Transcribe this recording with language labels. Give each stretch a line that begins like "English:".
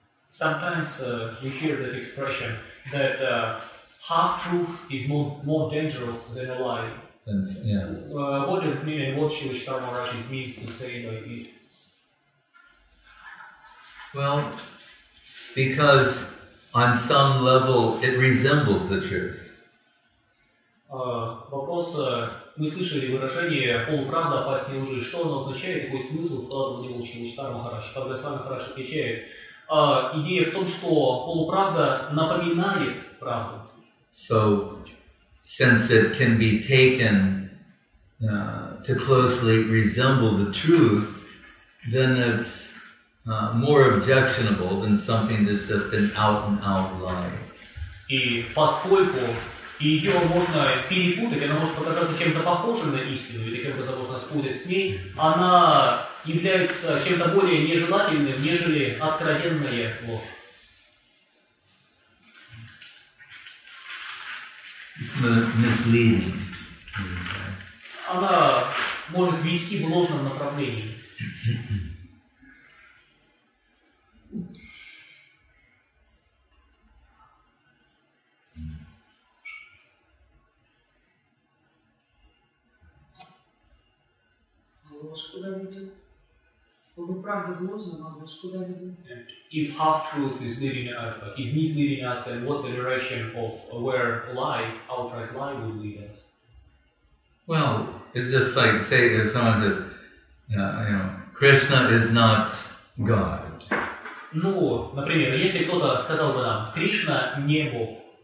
English: Sometimes we hear that expression that half truth is more dangerous than a lie. And, yeah. What does it mean, and what Shilish Tarmarashi means to say like it? Well, because on some level it resembles the truth.
Russian: Вопрос, мы слышали выражение «полуправда опаснее лжи». Что оно означает, какой смысл вкладывал в него Шилиш Тарамахараш? Когда сам Хараш отвечает, идея в том, что полуправда напоминает правду.
English: So, since it can be taken to closely resemble the truth, then it's more objectionable than something that's just an out-and-out lie.
Russian: И поскольку ее можно перепутать, она может показаться чем-то похожей на истину, или как бы можно спутать с ней, она является чем-то более нежелательным, нежели откровенная ложь.
English: Misleading.
Russian: Она может вести в ложном направлении. Ложь куда ведет? Полуправда в ложном, а ложь куда ведет?
English: If half truth is leading us, is misleading us, then what's the direction of where lie, outright lie, would lead us? Well, it's just like say if someone says, Krishna is not God.
Russian: Ну, например, если кто-то сказал бы нам, Кришна не Бог.